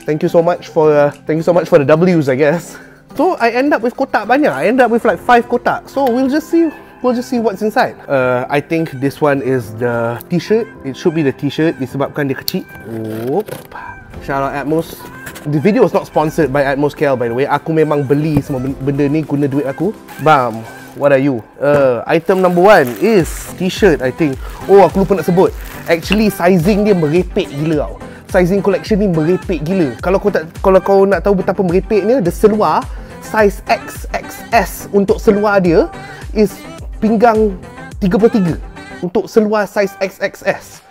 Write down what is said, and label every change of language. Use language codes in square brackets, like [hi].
[en] Thank you so much for the W's, I guess. So I end up with [ms] kotak banyak. [en] I end up with like 5 kotak. So we'll just see what's inside. I think this one is the t-shirt. It should be the t-shirt [ms] disebabkan dia kecil. [en] Oop. Shout out Atmos. The video is not sponsored by Atmos KL, by the way. [ms] Aku memang beli semua benda ni guna duit aku. [en] Bam. What are you? Item number one is t-shirt, I think. [ms] Oh, aku lupa nak sebut. Actually, sizing dia merepek gila tau. Sizing collection ni merepek gila. Kalau kau nak tahu betapa merepeknya, the seluar, size XXS untuk seluar dia is pinggang 33 untuk seluar size XXS.